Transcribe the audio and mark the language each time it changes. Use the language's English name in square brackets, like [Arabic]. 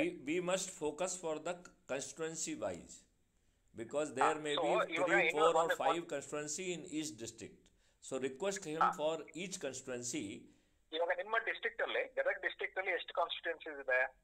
[English] We must focus for the constituency wise, because there may be 3-5 constituency in east district. So request him for each constituency. [Kannada] ಇವಾಗ ನಿಮ್ಮ district ಅಲ್ಲಿ, Gadag district ಅಲ್ಲಿ ಎಷ್ಟು ಕಾನ್ಸ್ಟಿಟ್ಯೂಯೆನ್ಸಿಸ್ ಇದೆ?